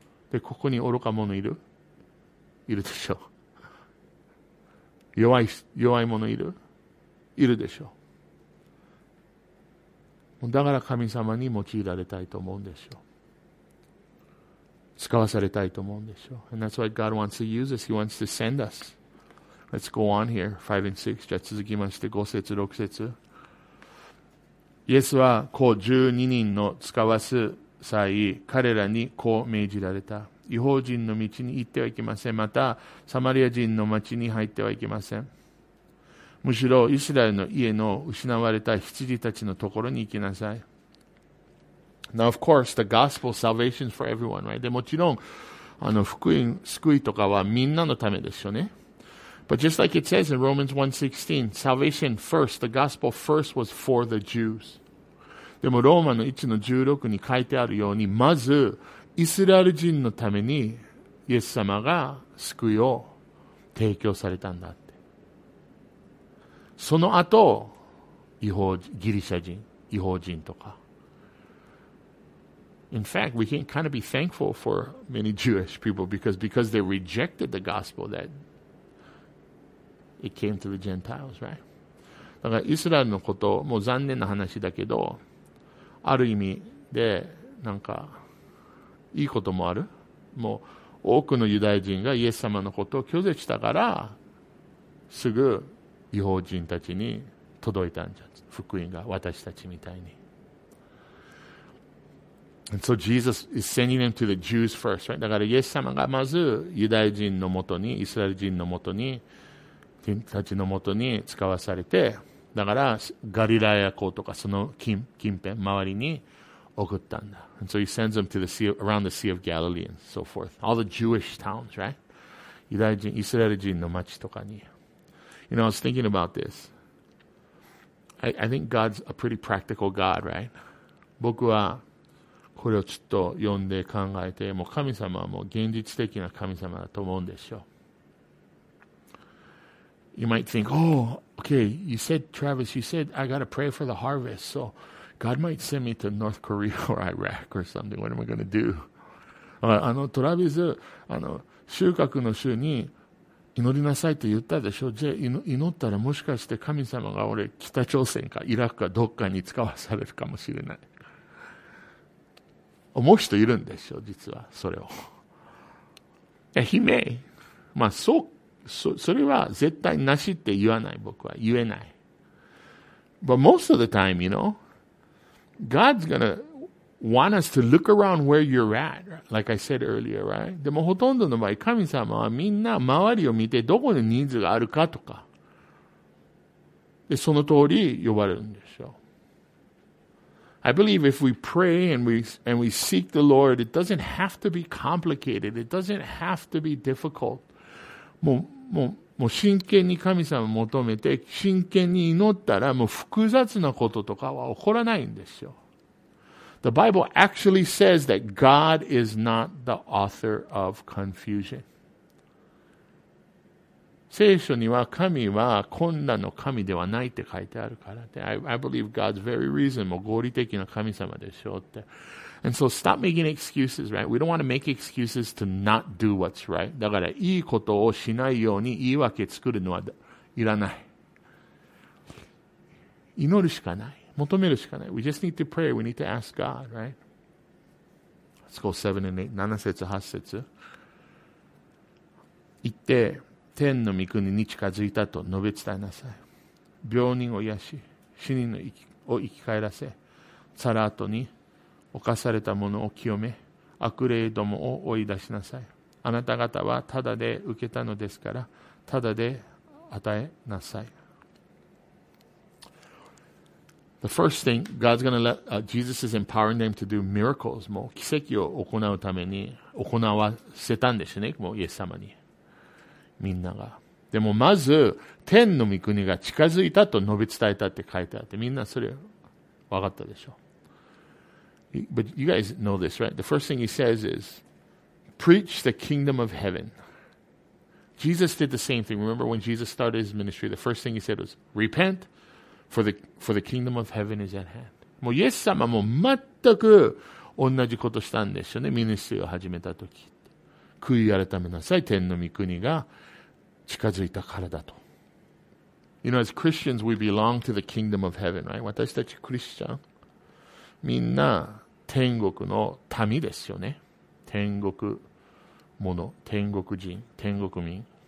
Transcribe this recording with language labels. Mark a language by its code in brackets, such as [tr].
[ja] で、ここに愚か者いる?いるでしょう。弱いものいる?いるでしょう。だから神様に用いられたいと思うんでしょう。使わされたいと思うんでしょう。 [en] And that's why God wants to use us. He wants to send us. Let's go on here. 5 and 6. [ja] じゃあ続きまして5節、6節。イエスはこう12人の使わす際、彼らにこう命じられた。異邦人の道に行ってはいけません。またサマリア人の町に入ってはいけません。むしろイスラエルの家の失われた羊たちのところに行きなさい。 [en] Now of course the gospel salvation is for everyone, right? [ja] でもちろん福音救いとかはみんなのためですよね。 [en] But just like it says in Romans 1:16, salvation first, the gospel first was for the Jews. [ja] でもローマの1の16に書いてあるように、まずイスラエル人のためにイエス様が救いを提供されたんだって。その後違法人、ギリシャ人、違法人とか。 [en] In fact, we can kind of be thankful for many Jewish people because they rejected the gospel that it came to the Gentiles, right? [ja] だからイスラエルのこと、もう残念な話だけど、ある意味でなんかいいこともある。もう多くのユダヤ人がイエス様のことを拒絶したから、すぐ違法人たちに届いたんじゃん。福音が私たちみたいに。 [en] And so Jesus is sending them to the Jews first, right? [ja] だからイエス様がまずユダヤ人のもとに、イスラエル人のもとに、人たちのもとに使わされて、だからガリラヤ湖とかその近辺、周りに送ったんだ。 [en] And so he sends them to the sea, around the Sea of Galilee and so forth. All the Jewish towns, right? [ja] ユダヤ人、イスラエル人の町とかに。 [en] You know, I was thinking about this. I think God's a pretty practical God, right? [ja] 僕はこれをちょっと読んで考えて、もう神様はもう現実的な神様だと思うんでしょう。 [en] You might think, oh, okay, you said, Travis, you said, I gotta pray for the harvest, so God might send me to North Korea or Iraq or something. What am I gonna do? [ja] トラビス、収穫の週に祈りなさいと言ったでしょ。じゃあ祈ったらもしかして神様が俺、北朝鮮かイラクかどっかに使わされるかもしれない。思う人いるんでしょう、実は、それを。 [en] He may. [ja] まあ、それは絶対なしって言わない、僕は。言えない。 [en] But most of the time, you know, God's gonna want us to look around where you're at, like I said earlier, right? [ja] でも、ほとんどの場合、神様はみんな周りを見て、どこにニーズがあるかとか。で、その通り呼ばれるんでしょう。 [en] I believe if we pray and we seek the Lord, it doesn't have to be complicated. It doesn't have to be difficult. [ja] もう真剣に神様を求めて、真剣に祈ったら、もう複雑なこととかは起こらないんですよ。 [en] The Bible actually says that God is not the author of confusion. [ja] 聖書には神は混乱の神ではないって書いてあるからって。 [en] I believe God's very reason [ja] も合理的な神様でしょうって。 [en] And so stop making excuses, right? We don't want to make excuses to not do what's right. [ja] だからいいことをしないように言い訳作るのはいらない。祈るしかない。求めるしかない。 [en] We just need to pray. We need to ask God, right? Let's go 7 and 8, [ja] 7節8節。行って、天の御国に近づいたと述べ伝えなさい。病人を癒し、死人を生き返らせ、サラートに侵されたものを清め、悪霊どもを追い出しなさい。あなた方はただで受けたのですから、ただで与えなさい。 [en] The first thing, God's gonna let, Jesus is empowering them to do miracles. [ja] もう奇跡を行うために行わせたんですね、もうイエス様に。みんなが。でもまず、天の御国が近づいたと述べ伝えたって書いてあって、みんなそれ分かったでしょう。 [en] But you guys know this, right? The first thing he says is, preach the kingdom of heaven. Jesus did the same thing. Remember when Jesus started his ministry, the first thing he said was, repent, for the kingdom of heaven is at hand. [ja] もうイエス様も全く同じことしたんでしょうね、ミニストリーを始めたとき。悔い改めなさい、天の御国が近づいたからだと。 [en] You know, as Christians, we belong to the kingdom of heaven, right? [ja] 私たちクリスチャン、みんな天国の民ですよね。天国もの、天国人、天国民。